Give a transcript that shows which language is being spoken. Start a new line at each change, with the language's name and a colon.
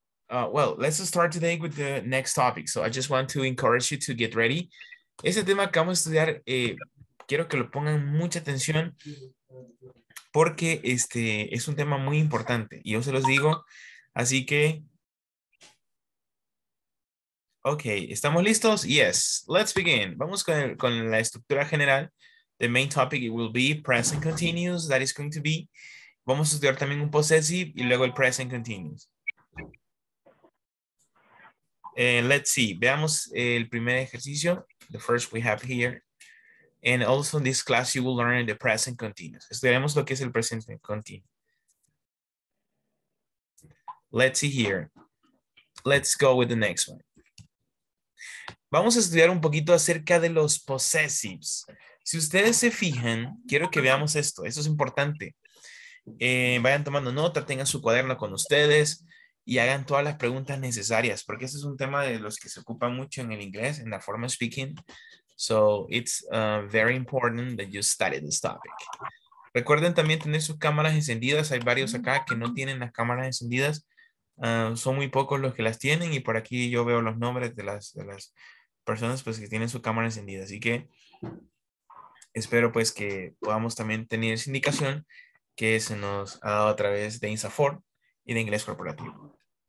English: Well, let's start today with the next topic. So I just want to encourage you to get ready.
Spanish: Ese tema que vamos a estudiar, quiero que lo pongan mucha atención porque este es un tema muy importante y yo se los digo. Así que, ok, ¿estamos listos?
English: Yes, let's begin.
Spanish: Vamos con la estructura general.
English: The main topic it will be present continuous, that is going to be.
Spanish: Vamos a estudiar también un possessive y luego el present continuous.
English: Let's see,
Spanish: veamos el primer ejercicio.
English: The first we have here. And also in this class, you will learn the present continuous.
Spanish: Estudiaremos lo que es el presente continuo.
English: Let's see here. Let's go with the next one.
Spanish: Vamos a estudiar un poquito acerca de los possessives. Si ustedes se fijan, quiero que veamos esto. Esto es importante. Vayan tomando nota, tengan su cuaderno con ustedes y hagan todas las preguntas necesarias, porque este es un tema de los que se ocupa mucho en el inglés, en la forma de speaking.
English: So it's very important that you study this topic.
Spanish: Recuerden también tener sus cámaras encendidas. Hay varios acá que no tienen las cámaras encendidas. Son muy pocos los que las tienen. Y por aquí yo veo los nombres de las personas pues, que tienen su cámara encendida. Así que espero pues, que podamos también tener esa indicación que se nos ha dado a través de INSAFOR y de Inglés Corporativo.